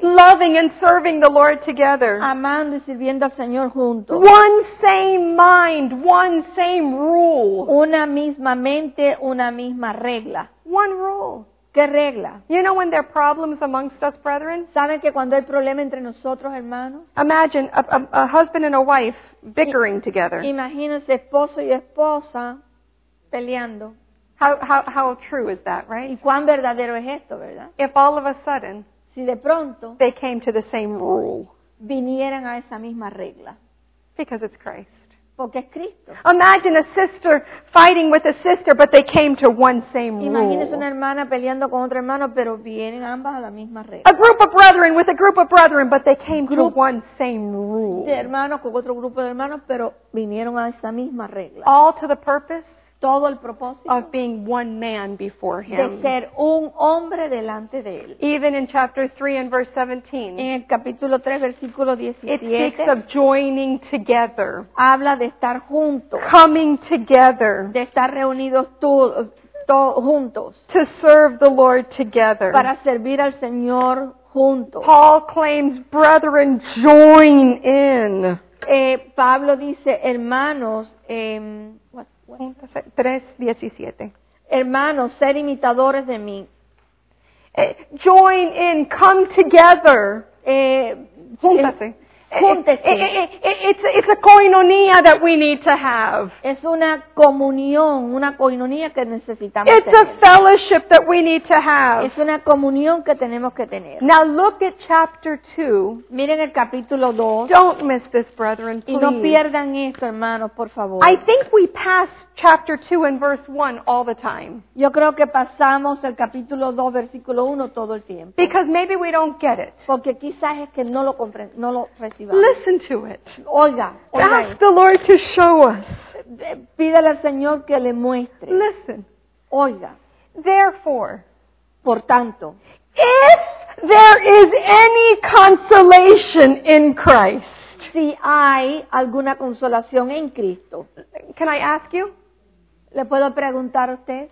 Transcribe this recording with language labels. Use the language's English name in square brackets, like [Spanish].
[English] loving and serving the Lord together, [Spanish] amando y sirviendo al Señor juntos, [English] one same mind, one same rule, [Spanish] una misma mente, una misma regla, [English] one rule. [Spanish] ¿Qué regla? [English] You know when there are problems amongst us, brethren? [Spanish] ¿Saben que cuando hay problema entre nosotros, hermanos? [English] Imagine a husband and a wife bickering together. [Spanish] Imagínense esposo y esposa peleando. [English] How true is that, right? [Spanish] ¿Y cuán verdadero es esto, verdad? [English] If all of a sudden, [Spanish] si de pronto, [English] they came to the same rule, [Spanish] vinieran a esa misma regla. [English] Because it's Christ. [Spanish] Porque es Cristo. [English] Imagine a sister fighting with a sister, but they came to one same rule. [Spanish] Imagínese una hermana peleando con otra hermana, pero vienen ambas a la misma regla. [English] A group of brethren with a group of brethren, but they came to one same rule. [Spanish] De hermanos con otro grupo de hermanos, pero vinieron a esa misma regla. [English] All to the purpose. [Spanish] Todo el propósito. [English] Of being one man before him. [Spanish] De ser un hombre delante de él. [English] Even in chapter 3 and verse 17. [Spanish] En el capítulo 3, versículo 17. [English] It speaks of joining together. [Spanish] Habla de estar juntos. [English] Coming together. [Spanish] De estar reunidos todos juntos. [English] To serve the Lord together. [Spanish] Para servir al Señor juntos. [English] Paul claims, brethren, join in. [Spanish] Pablo dice, hermanos, what? [English] 3:17. [Spanish] Hermanos, ser imitadores de mí. [English] Join in, come together. [Spanish] Júntese. [English] It's a koinonia that we need to have. [Spanish] Es una comunión, una koinonia que necesitamos [English] it's [Spanish] tener. [English] A fellowship that we need to have. [Spanish] Es una comunión que tenemos que tener. [English] Now look at chapter 2. [Spanish] Miren el capítulo 2. [English] Don't miss this, brethren, please. [Spanish] Y no pierdan esto, hermanos, por favor. [English] I think we pass chapter 2 and verse 1 all the time. [Spanish] Yo creo que pasamos el capítulo 2, versículo 1 todo el tiempo. [English] Because maybe we don't get it. [Spanish] Porque quizás es que no lo comprendemos, no lo recibimos. [English] Listen to it. [Spanish] Oiga. [English] Ask the Lord to show us. [Spanish] Pídale al Señor que le muestre. [English] Listen. [Spanish] Oiga. [English] Therefore, [Spanish] por tanto, [English] if there is any consolation in Christ, [Spanish] si hay alguna consolación en Cristo, [English] can I ask you? [Spanish] ¿Le puedo preguntar a usted?